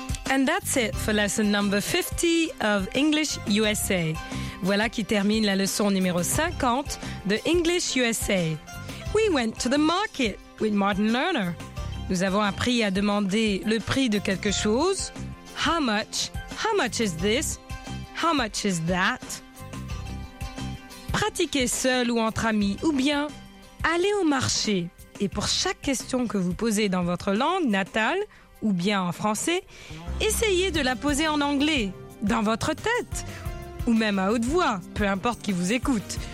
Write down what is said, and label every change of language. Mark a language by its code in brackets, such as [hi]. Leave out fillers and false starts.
[en] And that's it for lesson number 50 of English USA. [fr] Voilà qui termine la leçon numéro 50 de English USA. [en] We went to the market with Martin Lerner. [fr] Nous avons appris à demander le prix de quelque chose. [en] How much? How much is this? How much is that? [fr] Pratiquez seul ou entre amis, ou bien allez au marché. Et pour chaque question que vous posez dans votre langue natale, ou bien en français, essayez de la poser en anglais, dans votre tête, ou même à haute voix, peu importe qui vous écoute.